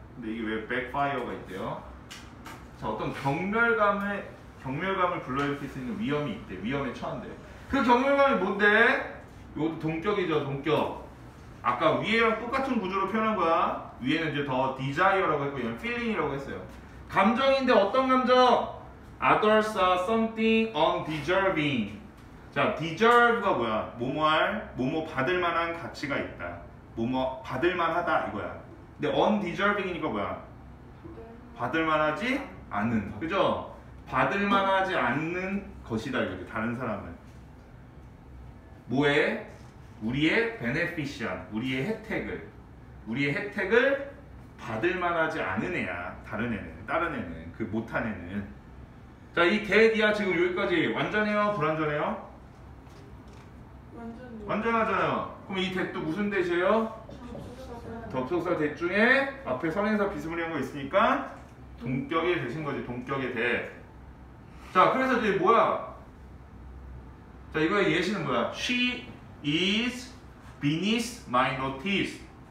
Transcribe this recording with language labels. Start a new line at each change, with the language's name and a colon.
Korean: 근데 이게 왜 백파이어가 있대요? 자, 어떤 경멸감을 불러일으킬 수 있는 위험이 있대. 위험에 처한대. 그 경멸감이 뭔데? 이것도 동격이죠, 동격. 아까 위에랑 똑같은 구조로 표현한 거야. 위에는 이제 더 desire라고 했고, 얘는 feeling이라고 했어요. 감정인데 어떤 감정?
English: Others are something undeserving.
Korean: 자, deserve가 뭐야? 뭐뭐 받을 만한 가치가 있다. 뭐뭐 받을 만하다, 이거야. 근데 undeserving이니까 뭐야? 받을 만하지? 않는, 그죠? 받을만하지 않는 것이다, 이렇게 다른 사람은. 뭐에? 우리의 beneficial, 우리의 혜택을 받을만하지 않은 애야, 다른 애는, 다른 애는, 그 못한 애는. 자, 이 대디야 지금 여기까지 완전해요, 불완전해요? 완전하잖아요. 그럼 이 대도 무슨 대시예요? 접속사 대 중에 앞에 선행사 비스무리한 거 있으니까. 동격의 대신 거지, 동격의 대. 자, 그래서 이제 뭐야? 자, 이거의 예시는 뭐야?
English: She is beneath my notice.